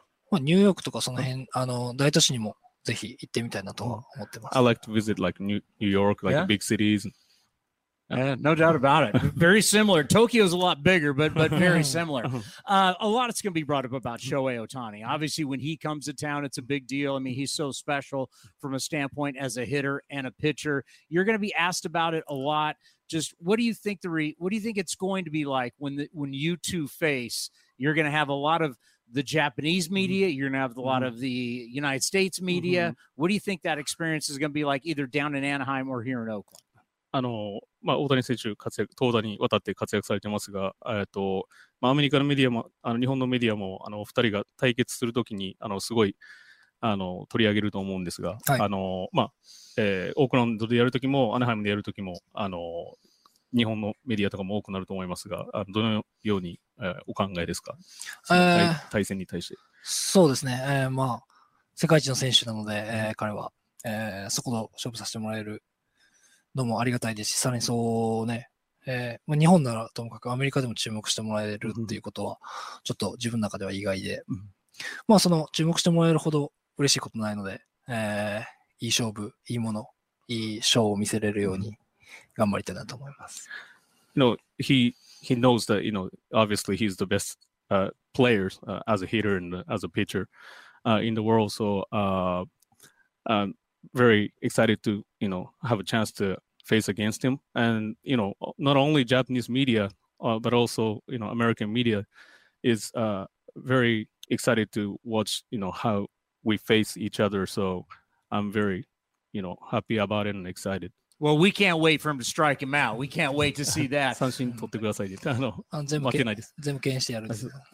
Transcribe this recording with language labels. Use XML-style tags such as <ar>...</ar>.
<ja>まあ、ニューヨークとかその辺、あの、大都市にもぜひ行ってみたいなと思ってます。</ja> <en>I like to visit like New York, like、yeah? big cities. Yeah, no doubt about it. Very similar. Tokyo's a lot bigger, but very similar. A lot is going to be brought up about Shohei Ohtani. Obviously, when he comes to town, it's a big deal. I mean, he's so special from a standpoint as a hitter and a pitcher. You're going to be asked about it a lot. Just what do you think what do you think it's going to be like when you two face? You're going to have a lot of the Japanese media. You're going to have a lot of the United States media. Mm-hmm. What do you think that experience is going to be like either down in Anaheim or here in Oakland?</en> <ja>あのまあ、大谷選手活躍、投打にわたって活躍されてますが、まあ、アメリカのメディアも、あの日本のメディアも、あの2人が対決するときに、あのすごいあの取り上げると思うんですが、はいあのまあオークランドでやるときも、アナハイムでやるときもあの、日本のメディアとかも多くなると思いますが、あのどのように、お考えですか、対戦に対して。そうですね、まあ、世界一の選手なので、彼は、そこと勝負させてもらえる。どうもありがたいですし、さらにそうね、まあ、日本ならともかくアメリカでも注目してもらえるっていうことは、ちょっと自分の中では意外で、うん、まあその注目してもらえるほど嬉しいことないので、いい勝負、いいもの、いいショーを見せれるように、う頑張りたいなと思います。</ja> <en>No, he knows that, you know, obviously he's the best player as a hitter and as a pitcher in the world. So I'm very excited to, you know, have a chance to face against him. And, you know, not only Japanese media, but also, you know, American media is very excited to watch, you know, how we face each other. So I'm very, you know, happy about it and excited. Well, we can't wait for him to strike him out. We can't wait to see that.</en> <ja>三振取ってください。あの、負けないです。全部検してやるんです。</ja>